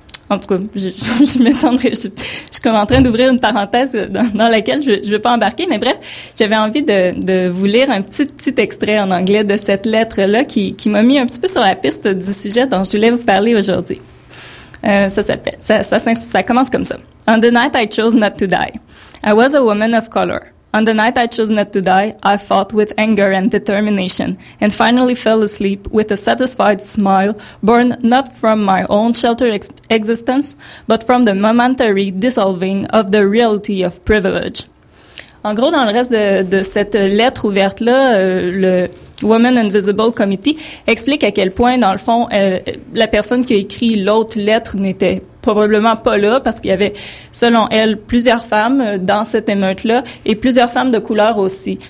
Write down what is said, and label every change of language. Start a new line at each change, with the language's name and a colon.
French: En tout cas, je m'étendrai... Je suis comme en train d'ouvrir une parenthèse dans laquelle je veux pas embarquer, mais bref, j'avais envie de vous lire un petit extrait en anglais de cette lettre-là qui m'a mis un petit peu sur la piste du sujet dont je voulais vous parler aujourd'hui. Ça commence comme ça.
English: On the night I chose not to die, I was a woman of color. On the night I chose not to die, I fought with anger and determination and finally fell asleep with a satisfied smile born not from my own sheltered existence, but from the momentary dissolving of the reality of privilege.
French: En gros, dans le reste de cette lettre ouverte-là, le Women Invisible Committee explique à quel point, dans le fond, la personne qui a écrit l'autre lettre n'était probablement pas là parce qu'il y avait, selon elle, plusieurs femmes dans cette émeute-là et plusieurs femmes de couleur aussi.